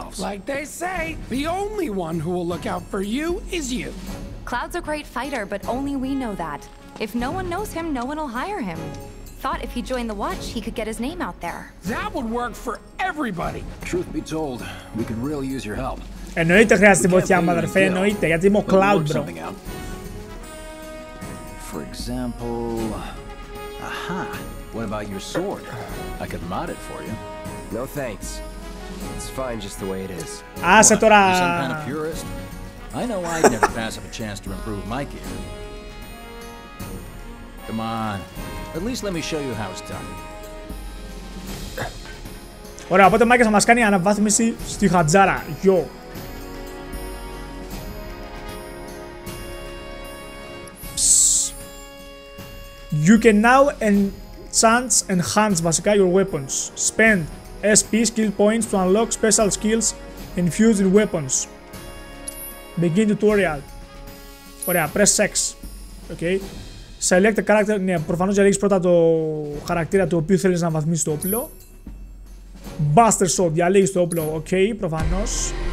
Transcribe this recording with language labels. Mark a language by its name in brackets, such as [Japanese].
[English] Like they say, the only one who will look out for you is you. Cloud's a great fighter, but only we know that. If no one knows him, no one will hire him. Thought if he joined the watch, he could get his name out there. That would work for everybody. Truth be told, we could really use your help. [Greek] Εννοείται χρειάζεται βοήθεια, αδερφέ, εννοείται, γιατί είμαι ο Cloud, bro. [English] For example, aha, what about your sword? I could mod it for you. No thanks. It's fine just the way it is. [Greek] Άσε τώρα. [English] You're some kind of purist? I know I'd never pass up a chance to improve my gear. Come on. At least let me show you how it's done. [Greek] Ωραία, οπότε Μάικας θα μας κάνει αναβάθμιση στη χατζάρα. [English] Yo. You can now enchant enhance [Greek] βασικά [English] your weapons. Spend SP skill points to unlock special skills infused in weapons. Begin tutorial. [Greek] Ωραία, [English] press X. Okay. Select a character. [Greek] Ναι, προφανώς διαλέγεις πρώτα το χαρακτήρα του οποίου θέλεις να βαθμίσεις το όπλο. Buster Sword, διαλέγεις το όπλο. Okay, προφανώς.